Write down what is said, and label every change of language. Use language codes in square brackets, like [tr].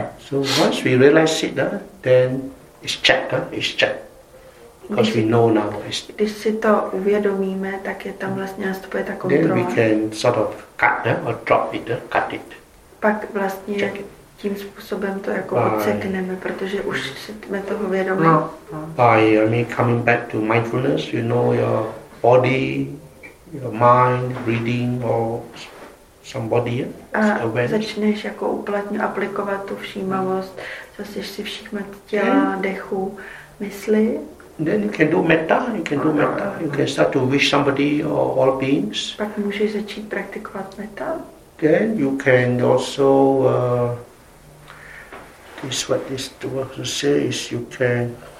[en] So once we realize it, then it's checked, it's checked. Because we know now. [cs] Když si to uvědomíme, tak je tam vlastně nastupuje ta kontrola. [en] Then we can sort of cut, or drop it, cut it. [cs] Pak vlastně tím způsobem to jako odsekneme, protože už jsme toho vědomi. [en] Coming back to mindfulness, you know your body, your mind, breathing or somebody. [cs] Začneš jako aplikovat tu všímavost, zase si všímat těla, dechu, mysli. [en] Then you can do metta, you can start to wish somebody or all beings. [cs] Pak můžeš začít praktikovat metta. [en] Then you can also is what this works to say is you can